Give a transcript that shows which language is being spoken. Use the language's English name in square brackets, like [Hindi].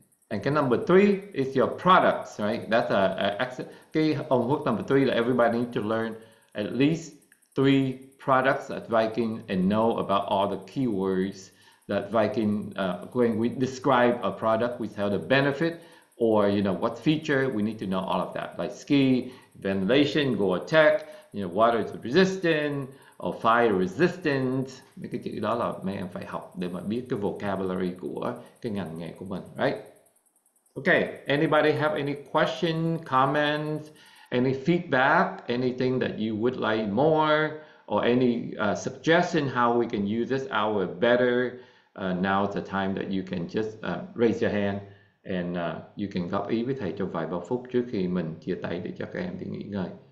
[English] And [Vietnamese] cái [English] number three is your products, right? That's cái homework number three that everybody need to learn at least three products at Viking and know about all the keywords that Viking, when we describe a product, we tell the benefit or, you know, what feature, we need to know all of that. Like ski, ventilation, Gore-Tex, you know, water resistant, or fire resistant, [Vietnamese] mấy cái chữ đó là mấy em phải học để mà biết cái [English] vocabulary [Vietnamese] của cái ngành nghề của mình, [English] right? Okay, anybody have any question, comments, any feedback, anything that you would like more, or any suggestion how we can use this hour better? Now is the time that you can just raise your hand and you can [Vietnamese] góp ý với thầy trong vài ba phút trước khi mình chia tay để cho các em đi nghỉ ngơi.